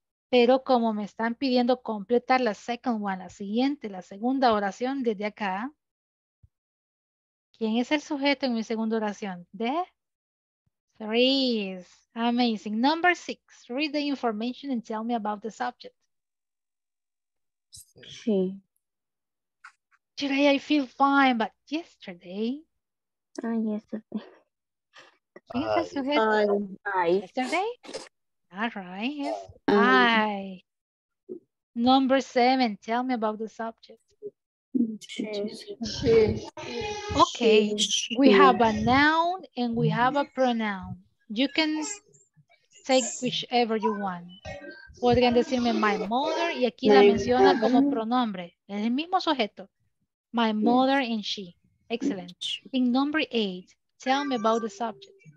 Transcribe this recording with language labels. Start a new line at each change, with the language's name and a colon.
Spanish: Pero como me están pidiendo completar la
English: second one,
Spanish: la siguiente, la segunda oración desde acá. ¿Quién es el sujeto en mi segunda oración?
English: De trees. Amazing. Number six. Read the information and tell me about the subject.
Spanish: Sí.
English: Today I feel fine, but yesterday. Yesterday.
Spanish: ¿Quién es el sujeto?
English: Yesterday. All right. Yes. I. Number seven. Tell me about the subject. Okay, we have a noun and we have a pronoun. You can take whichever you want.
Spanish: Podrían decirme
English: my mother
Spanish: y aquí la menciona como pronombre. El mismo sujeto.
English: My mother and she. Excellent. In number eight, tell me about the subject.